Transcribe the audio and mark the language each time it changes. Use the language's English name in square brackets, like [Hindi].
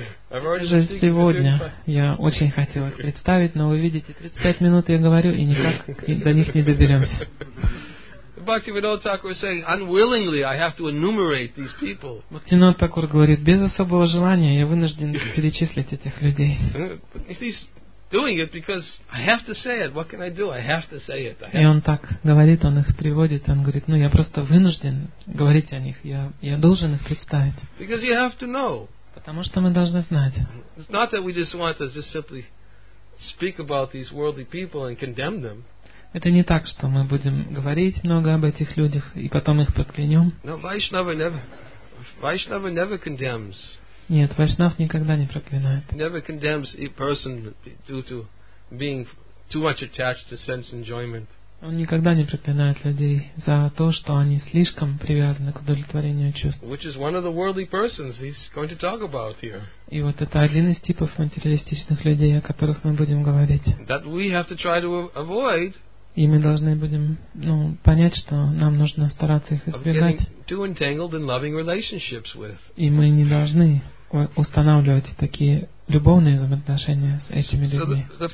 [Russian] Уже сегодня я очень хотел их представить, но вы видите, 35 минут я говорю, и никак до них не доберемся. [English] Bhaktivinoda Thakur is saying, unwillingly, I have to enumerate these people. [Russian] Bhaktivinoda Thakur говорит, без особого желания я вынужден перечислить этих людей. [English] He's doing it because I have to say it. What can I do? I have to say it. [Russian] И он так говорит, он их приводит, он говорит, ну я просто вынужден говорить о них, я должен их представить. [English] Because you have to know. [Russian] Потому что мы должны знать. [English] It's not that we just want to just simply speak about these worldly people and condemn them. [Russian] Это не так, что мы будем говорить много об этих людях и потом их проклянем. [English] No, Vaishnava never condemns. [Russian] Нет, Вайшнав никогда не проклинает. [English] Never condemns a person due to being too much attached to sense enjoyment. [Russian] Он никогда не проклинает людей за то, что они слишком привязаны к удовлетворению чувств. [English] Which is one of the worldly persons he's going to talk about here. [Russian] И вот это один из типов материалистичных людей, о которых мы будем говорить. [English] That we have to try to avoid. [Russian] И мы должны будем понять, что нам нужно стараться их избегать. И мы не должны устанавливать такие любовные взаимоотношения с этими людьми.